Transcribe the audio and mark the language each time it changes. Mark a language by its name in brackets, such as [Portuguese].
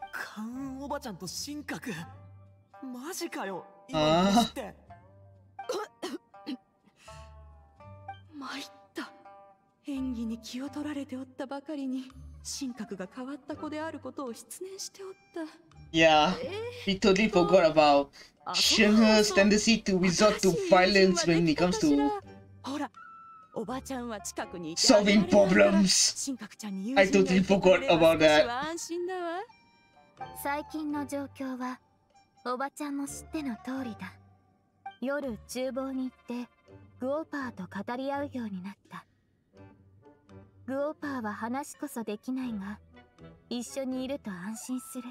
[Japanese] カンおばちゃんと神格。マジかよ。今って。まいった。演技に気を取られておったばかりに、神格が変わった子であることを失念しておった。 [English] Yeah, he totally forgot about Shinra's tendency to resort to violence when it comes to solving problems. I totally forgot about that. [Japanese] 最近の状況はおばちゃんも知っての通りだ。夜厨房に行ってグオパーと語り合うようになった。グオパーは話こそできないが、一緒にいると安心する。